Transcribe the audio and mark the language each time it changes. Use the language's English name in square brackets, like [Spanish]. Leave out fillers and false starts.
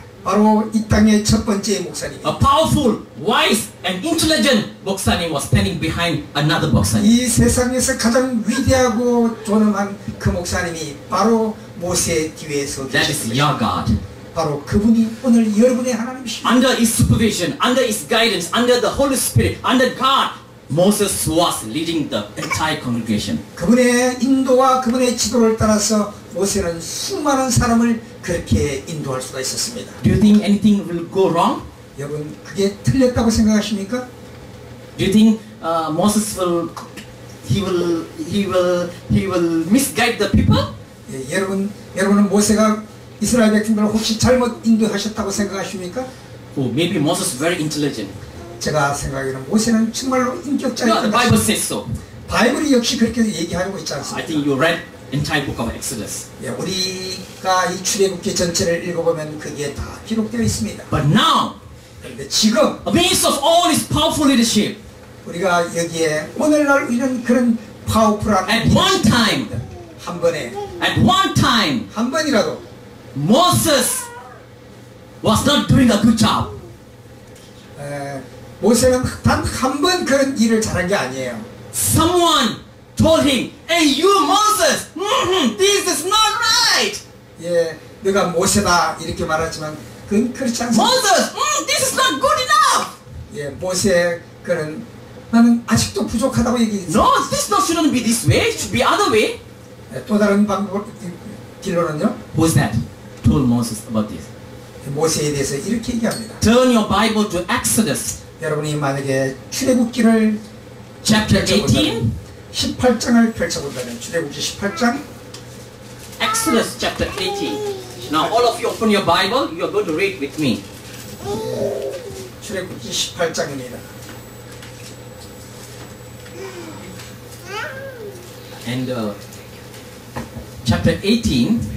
[Korean] 바로 이 땅의 첫 번째 목사님. [English] A powerful, wise and intelligent 목사님 was standing behind another 목사님. [Korean] 이 세상에서 가장 위대하고 존엄한 그 목사님이 바로 모세 뒤에 서 [English] That is your God. [Korean] 바로 그분이 오늘 여러분의 하나님이십니다. [English] Under his supervision, under his guidance, under the Holy Spirit, under God, Moses was leading the entire congregation. [Korean] 그분의 인도와 그분의 지도를 따라서 모세는 수많은 사람을 그렇게 인도할 수가 있었습니다. [English] Do you think anything will go wrong? [Korean] 여러분, 그게 틀렸다고 생각하십니까? [English] Do you think Moses will misguide the people? [Korean] 예, 여러분은 모세가 이스라엘 백성들 혹시 잘못 인도하셨다고 생각하십니까? [English] Oh, maybe Moses is very intelligent. [Korean] 제가 생각하기에는 모세는 정말로 인격자인 것 같습니다. [English] The Bible says so. [Korean] 바이블이 역시 그렇게 얘기하고 있지 않습니까? [English] I think you read entire book of Exodus. [Korean] 예, 우리가 이 출애굽기 전체를 읽어보면 그게 다 기록되어 있습니다. [English] But now, [Korean] 그런데 지금 [English] Based of all his powerful leadership [Korean] 우리가 여기에 오늘날 이런 그런 파워풀한 [English] At one time [Korean] 한 번에 [English] At one time [Korean] 한 번이라도 [English] Moses was not doing a good job [Korean] 모세는 단 한 번 그런 일을 잘한 게 아니에요 [English] Someone told him Hey you Moses This is not right [Korean] 예 내가 모세다 이렇게 말하지만 그건 그렇지 않습니다 [English] Moses this is not good enough [Korean] 예 모세 그런 나는 아직도 부족하다고 얘기했어 [English] No this not shouldn't be this way It should be other way [Korean] 예, 또 다른 방법 길로는요 [English] Who's that told Moses about this [Korean] 모세에 대해서 이렇게 얘기합니다 [English] Turn your Bible to Exodus [Korean] 여러분이 만약에 출애굽기를 [English] Chapter 18 [Korean] 18장을 펼쳐본다면 출애굽기 18장 [English] Exodus chapter 18 Now all of you open your Bible You are going to read with me [Korean] 출애굽기 18장입니다 [English] And chapter 18